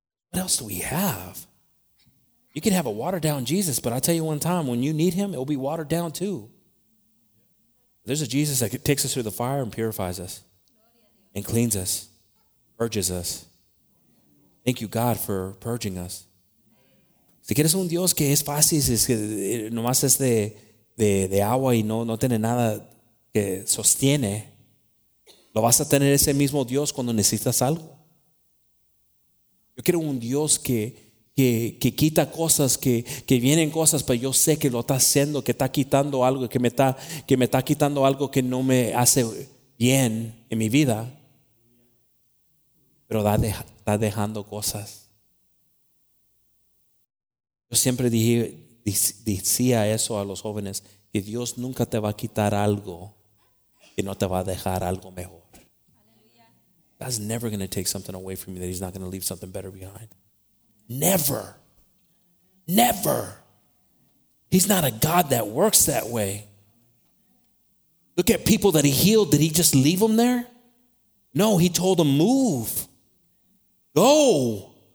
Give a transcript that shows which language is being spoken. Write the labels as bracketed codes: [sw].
[en] What else do we have? You can have a watered down Jesus, but I'll tell you one time, when you need him, it'll be watered down too. There's a Jesus that takes us through the fire and purifies us and cleans us, purges us. Thank you, God, for purging us. [es] Si quieres un Dios que es fácil, es que nomás es de agua y no tiene nada que sostiene, lo vas a tener ese mismo Dios cuando necesitas algo. Yo quiero un Dios que quita cosas, que vienen cosas, pero yo sé que lo está haciendo, que está quitando algo, que me está quitando algo que no me hace bien en mi vida. Pero está dejando cosas. Yo siempre decía eso a los jóvenes, que Dios nunca te va a quitar algo que no te va a dejar algo mejor. [en] God's never going to take something away from you that he's not going to leave something better behind. Never. Never. He's not a God that works that way. Look at people that he healed. Did he just leave them there? No, he told them, move. Go.